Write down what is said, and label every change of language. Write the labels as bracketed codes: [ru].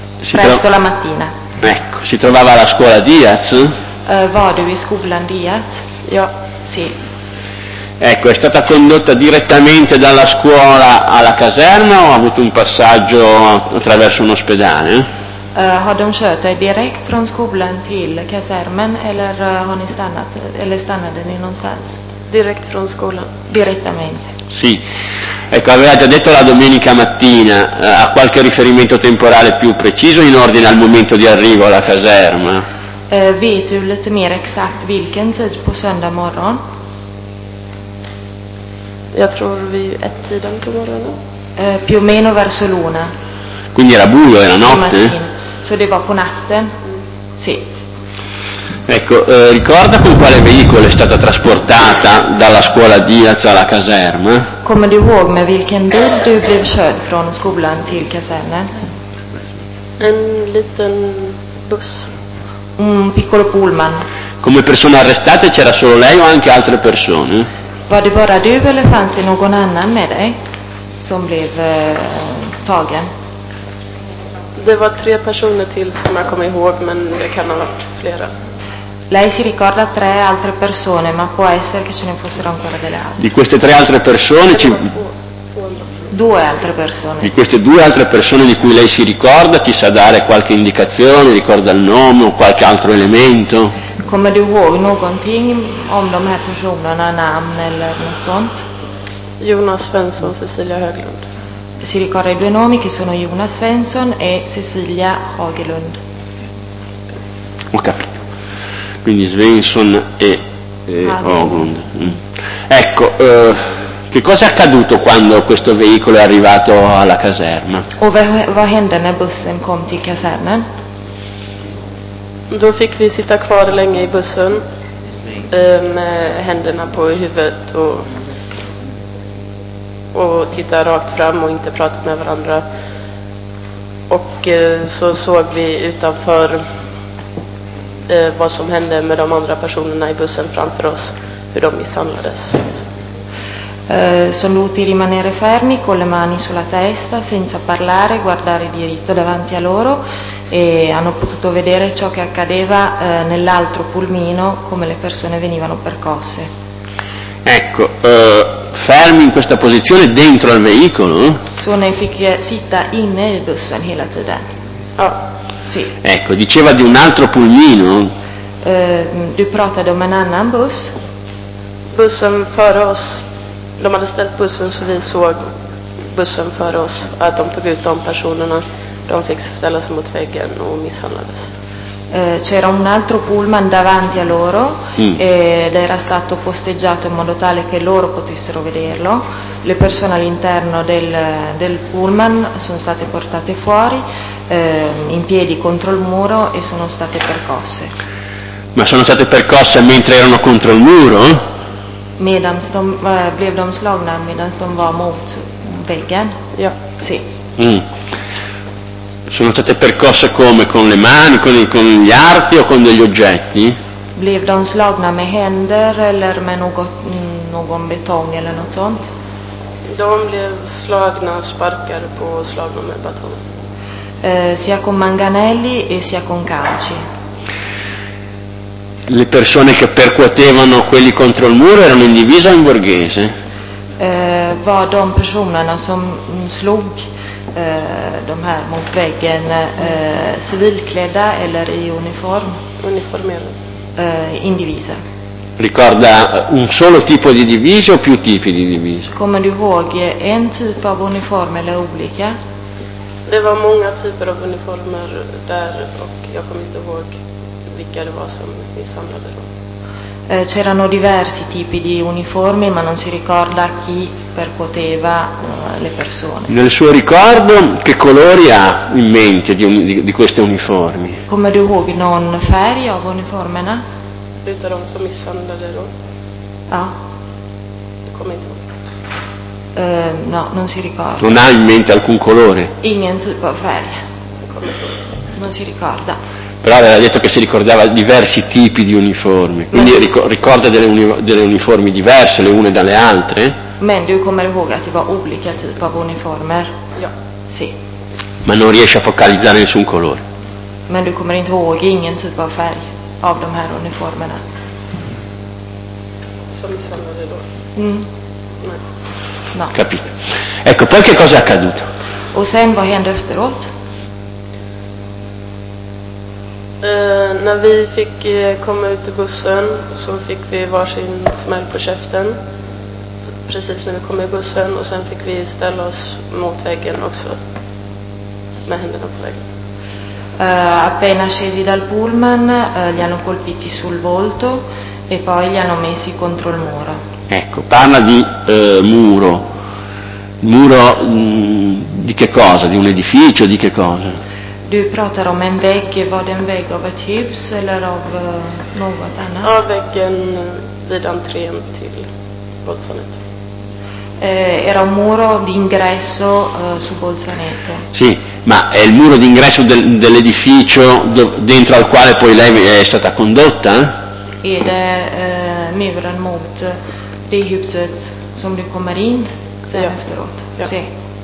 [it] Presto la mattina. Ecco, si trovava alla scuola Diaz. [sv] Var du i skolan Diaz? Ja. [it] Sì. Ecco, è stata condotta direttamente dalla scuola alla caserma o ha avuto un passaggio attraverso un ospedale? [sv] Har de kört dig direkt från skolan till kasermen eller har ni stannat eller stannade ni någonstans? Direkt från skolan. [it] Direttamente. Sì. Ecco, aveva già detto la domenica mattina, ha qualche riferimento temporale più preciso in ordine al momento di arrivo alla caserma? [sv] Vet du lite mer exakt vilken tid på söndag morgon? Jag tror vi ett tiden på morgonen. [it] Più o meno verso l'una. Quindi era buio, era notte? [sv] Så det var på natten. [it] Sì. Ecco, ricorda con quale veicolo è stata trasportata dalla scuola Diaz alla caserma? [sv] Kommer du ihåg med vilken bil du blev körd från skolan till kasernen? En liten buss. [it] Un piccolo pullman. Come persona arrestata c'era solo lei o anche altre persone? [sv] Var det bara du eller fanns det någon annan med dig som blev tagen? Det var tre personer till som jag kommer ihåg, men det kan ha varit flera. [it] Lei si ricorda tre altre persone, ma può essere che ce ne fossero ancora delle altre. Di queste tre altre persone ci... Due altre persone. Di queste due altre persone di cui lei si ricorda, ci sa dare qualche indicazione, ricorda il nome o qualche altro elemento? [sv] Kommer du ihåg någonting om de här personerna, namn eller något sånt? Jonas Svensson, Cecilia Höglund. [it] Si ricorda i due nomi che sono Jonas Svensson e Cecilia Höglund. Ho capito. Quindi Svensson e Höglund. Ecco, che cosa è accaduto quando questo veicolo è arrivato alla caserma? [sv] Vad hände när bussen kom till kasernen? Då fick vi sitta kvar länge i bussen med händerna på huvudet och titta rakt fram och inte prata med varandra. Och så såg vi utanför vad som hände med de andra personerna i bussen framför oss, hur de misshandlades. [it] Sono dovuti rimanere fermi con le mani sulla testa senza parlare, guardare diritto davanti a loro e hanno potuto vedere ciò che accadeva nell'altro pulmino, come le persone venivano percosse. Ecco, fermi in questa posizione dentro al veicolo? Sono fiché [sv] sitta in il bussen hela tiden. Oh, [it] sì. Ecco, diceva di un altro pulmino? [sv] Du pratade om en annan buss? Bussen för oss. De hade ställt bussen så vi såg bussen för oss. Att de tog ut de personerna. De fick ställa sig mot väggen och misshandlades. [it] C'era un altro pullman davanti a loro ed era stato posteggiato in modo tale che loro potessero vederlo. Le persone all'interno del pullman sono state portate fuori in piedi contro il muro e sono state percosse. Ma sono state percosse mentre erano contro il muro? [sv] Medan de blev de slagna medan de var mot väggen. Ja. [it] Sì. Sono state percosse come? Con le mani, con gli arti o con degli oggetti? [sv] Blev de slagna med händer eller med någon betong eller något sånt? De blev slagna sparkade på och slagna med batong. [it] Sia con manganelli e sia con calci. Le persone che percuotevano quelli contro il muro erano in divisa o in borghese? [sv] Var de personerna som slog de här mot väggen civilklädda eller i uniform? Uniformerade. [it] In divisa. Ricorda un solo tipo di divisa o più tipi di divisa? [sv] Kommer du ihåg en typ av uniform eller olika? Det var många typer av uniformer där och jag kommer inte ihåg vilka det var som misshandlade dem. [it] C'erano diversi tipi di uniformi, ma non si ricorda chi percuoteva le persone. Nel suo ricordo, che colori ha in mente di questi uniformi? [sv] Come du ihåg någon färg av uniformerna? Utav de som misshandlade då? Ja. Kommer inte. [it] No, non si ricorda. Non ha in mente alcun colore? [sv] Ingen typ av färg. [it] Non si ricorda. Però aveva detto che si ricordava diversi tipi di uniformi, quindi ricorda delle uniformi diverse le une dalle altre? [sv] Men du kommer ihåg att det var olika typ av uniformer? Ja. [it] Sì. Ma non riesce a focalizzare nessun colore? [sv] Men du kommer inte ihåg ingen typ av färg av de här uniformerna? Som misshandlade då? Mm. Nej. [it] No. Capito. Ecco, poi che cosa è accaduto? [sv] Och sen, vad hände efteråt? När vi fick komma ut ur bussen så fick vi varsin smäll på käften precis när vi kom i bussen, och sen fick vi ställa oss mot väggen också med händerna på väggen. [it] Appena scesi dal pullman li hanno colpiti sul volto e poi li hanno messi contro il muro. Ecco, parla di muro. Muro di che cosa? Di un edificio? Di che cosa? [sv] Du pratar om en vägg, var det en vägg av ett hus eller av något annat? Ja, väggen vid entrén till Bolzaneto. [it] Era un muro d'ingresso su Bolzaneto. Sì, ma è il muro d'ingresso dell'edificio dentro al quale poi lei è stata condotta? [sv] Ed è muren mot det huset som du kommer in sen efteråt. [it] Sì.